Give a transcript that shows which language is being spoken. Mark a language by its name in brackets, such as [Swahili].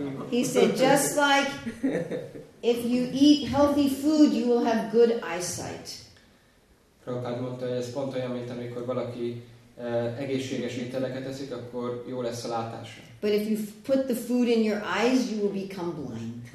[English] He said, just like if you eat healthy food, you will have good eyesight. [Hungarian] Prabhupád mondta, hogy ez pont olyan, mint amikor valaki egészséges ételeket eszik, akkor jó lesz a látása. [English] But if you put the food in your eyes, you will become blind.